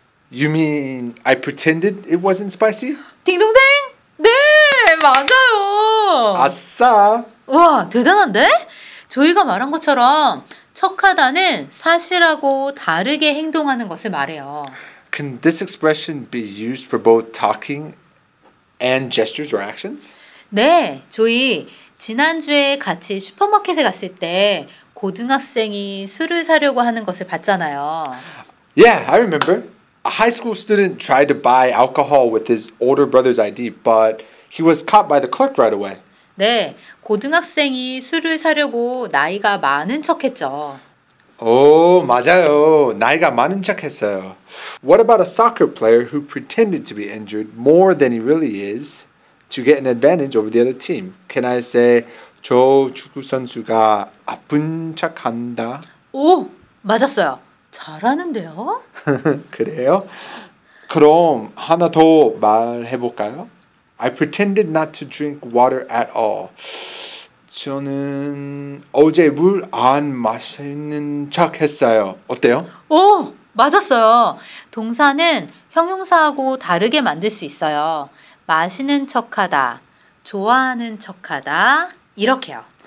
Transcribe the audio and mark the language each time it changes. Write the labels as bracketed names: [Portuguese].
[English] You mean I pretended it wasn't spicy? [Korean] 딩동댕! 네, 맞아요! 아싸! 우와, 대단한데? 조이가 말한 것처럼 척하다는 사실하고 다르게 행동하는 것을 말해요. [English] Can this expression be used for both talking and gestures or actions? [Korean] 네, 조이. 지난주에 같이 슈퍼마켓에 갔을 때 고등학생이 술을 사려고 하는 것을 봤잖아요. [English] Yeah, I remember. A high school student tried to buy alcohol with his older brother's ID, but he was caught by the clerk right away. [Korean] 네, 고등학생이 술을 사려고 나이가 많은 척했죠. 오, 맞아요. 나이가 많은 척했어요. [English] What about a soccer player who pretended to be injured more than he really is to get an advantage over the other team? Can I say, [Korean] 저 축구 선수가 아픈 척한다? 오, 맞았어요. 잘하는데요? 그래요? 그럼 하나 더 말해볼까요? [English] I pretended not to drink water at all. [Korean] 저는 어제 물 안 마시는 척 했어요. 어때요? 오, 맞았어요. 동사는 형용사하고 다르게 만들 수 있어요. 마시는 척하다, 좋아하는 척하다, 이렇게요.